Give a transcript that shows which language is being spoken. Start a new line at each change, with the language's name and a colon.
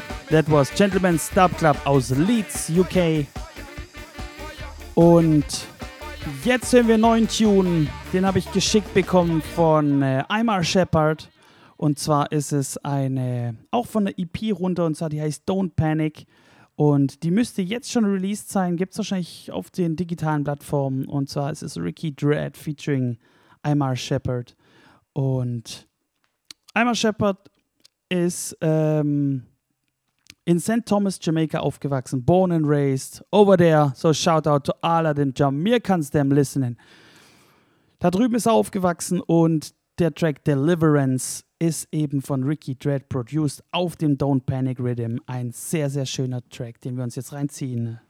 English: That was Gentleman's Dub Club aus Leeds, UK.
German: Und jetzt hören wir einen neuen Tune. Den habe ich geschickt bekommen von Imar Shepherd. Und zwar ist es eine, auch von der EP runter, und zwar die heißt Don't Panic. Und die müsste jetzt schon released sein, gibt es wahrscheinlich auf den digitalen Plattformen. Und zwar ist es Ricky Dread featuring Imar Shepherd. Und Imar Shepherd ist in St.
English: Thomas, Jamaica aufgewachsen, born and raised over there. So shout out to all of them Jamaicans, them listening.
German: Da drüben ist er aufgewachsen und der Track Deliverance ist eben von Ricky Dread produced auf dem Don't Panic Rhythm. Ein sehr, sehr schöner Track, den wir uns jetzt reinziehen.